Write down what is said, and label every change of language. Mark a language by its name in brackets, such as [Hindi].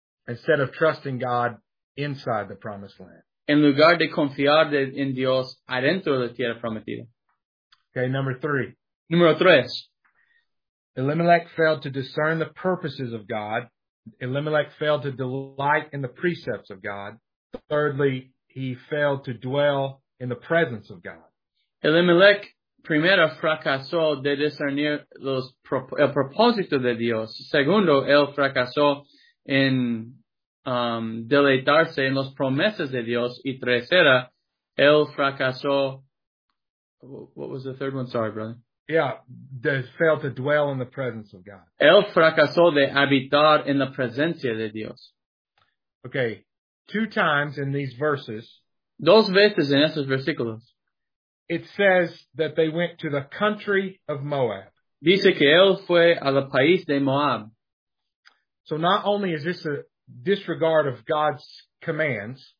[English] Instead of trusting God inside the promised land. [Spanish] En lugar de confiar en Dios adentro de tierra prometida. [English] Okay, number three. [Spanish] Número tres. [English] Elimelech failed to discern the purposes of God. Elimelech failed to delight in the precepts of God. Thirdly, he failed to dwell in the presence of God. [Spanish] Elimelech, primero, fracasó de discernir el propósito de Dios. Segundo, él fracasó en deleitarse en las promesas de Dios. Y tercera, él fracasó. [English] What was the third one? Sorry, brother. Yeah, they failed to dwell in the presence of God. [Spanish] Él fracasó de habitar en la presencia de Dios. [English] Okay, two times in these verses. [Spanish] Dos veces en estos versículos. [English] It says that they went to the country of Moab. [Spanish] Dice que él fue a la país de Moab. [English] So not only is this a disregard of God's commands.